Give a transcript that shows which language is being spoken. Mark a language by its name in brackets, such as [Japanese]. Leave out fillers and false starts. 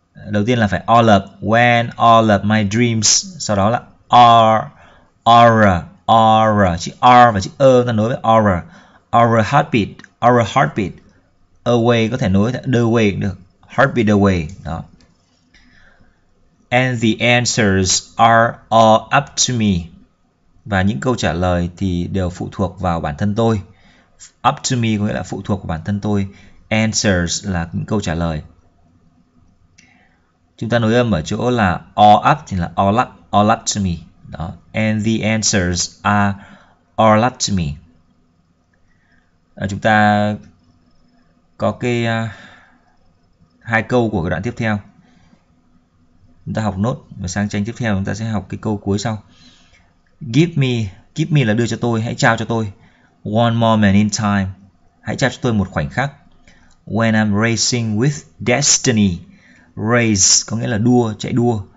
[Vietnamese] Đầu tiên là phải all of, [English] when all of my dreams, [Vietnamese] sau đó là aura, aura, chữ r và chữ ơ ta nối với aura. [English] Aura heartbeat away, [Vietnamese] có thể nối [English] the way [Vietnamese] được, [English] heartbeat away. [Vietnamese] Đó. [English] And the answers are all up to me. [Vietnamese] Và những câu trả lời thì đều phụ thuộc vào bản thân tôi. [English] Up to me [Vietnamese] có nghĩa là phụ thuộc vào bản thân tôi. Answers là những câu trả lời. Chúng ta nối âm ở chỗ là all up thì là [English] all up to me. [Vietnamese] Đó. [English] And the answers are all up to me. [Vietnamese] Chúng ta có cái hai câu của cái đoạn tiếp theo. Chúng ta học nốt và sang tranh tiếp theo chúng ta sẽ học cái câu cuối sau. [English] Give me [Vietnamese] là đưa cho tôi, hãy trao cho tôi. [English] One moment in time, [Vietnamese] hãy trao cho tôi một khoảnh khắc. [English] When I'm racing with destiny, [Vietnamese] race có nghĩa là đua, chạy đua.